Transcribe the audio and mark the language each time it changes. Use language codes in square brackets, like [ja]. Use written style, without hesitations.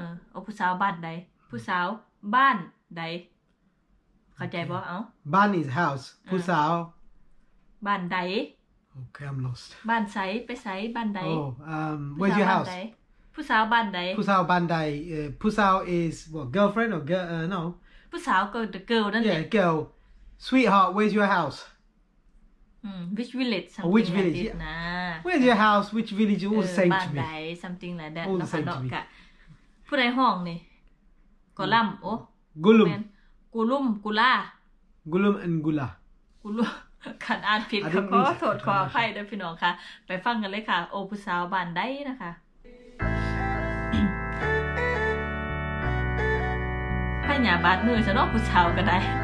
[th] โอ้ผู้สาวบ้านใดผู้สาวบ้านใดเข้าใจบ่เอ้า [en] บ้าน is house ผู้สาว [th] บ้านใด [en] Okay, I'm lost. [th] บ้านใสไปใสบ้านใด [en] Where's your house? [th] ผู้สาวบ้านใด ผู้สาวบ้านใดผู้สาว [en] is what girlfriend or girl no [th] ผู้สาวก็ [en] the girl [th] นั่นแหละ [en] Yeah, girl. Sweetheart, where's your house? Which village? Oh, which village? Like yeah. Where's your house? Which village? All the same to me. [th] บ้านใด [en] something like that. All the same to me. [th] ผู้ใดห้องนี่ Gulum. Gulum. Gulum, GuLaa. Gulum and GuLaa. GuLaa. คันอ่านผิดค่ะขอโทษขออภัยด้วยพี่น้องค่ะไปฟังกันเลยค่ะโอ้ผู้สาวบ้านใดนะคะไผ่หญ้าบาดมือซะเนาะผู้สาวก็ได